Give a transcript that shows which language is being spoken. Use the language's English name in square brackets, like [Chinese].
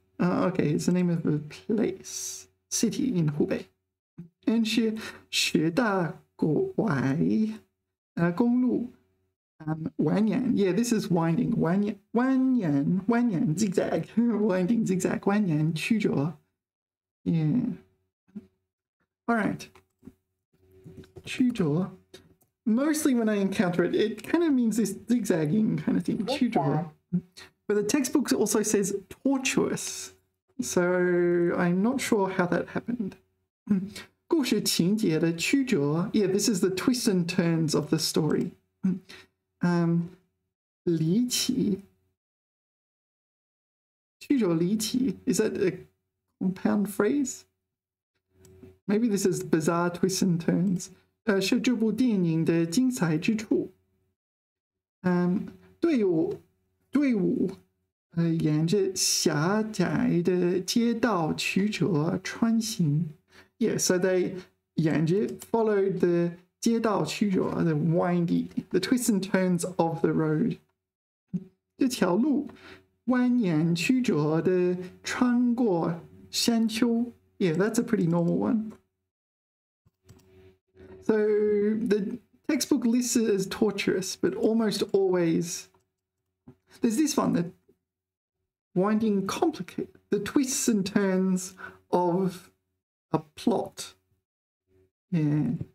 [English] Okay, it's the name of a place, city in Hubei. [Chinese] 恩施十大古外公路蜿蜒。 [English] Yeah, this is winding, 蜿蜒 zigzag, winding zigzag, 蜿蜒曲折。Yeah. All right. 曲折. Mostly when I encounter it, it kind of means this zigzagging kind of thing. 曲折.But the textbook also says tortuous. So I'm not sure how that happened. [Chinese] 故事情节的曲折. [English] Yeah, this is the twists and turns of the story. [Chinese] 离奇. [English] 曲折离奇.Is that a compound phrase? Maybe this is bizarre twists and turns. [Chinese] 是这部电影的精彩之处。队伍沿着狭窄的街道曲折穿行。 [English] Yeah, so they 沿着 followed the [Chinese] 街道曲折 [English] the windy, the twists and turns of the road. [Chinese] 这条路蜿蜒曲折的穿过山丘。 [English] Yeah, that's a pretty normal one. So the textbook lists it as torturous, but almost always there's this one, the winding complicated, the twists and turns of a plot. Yeah.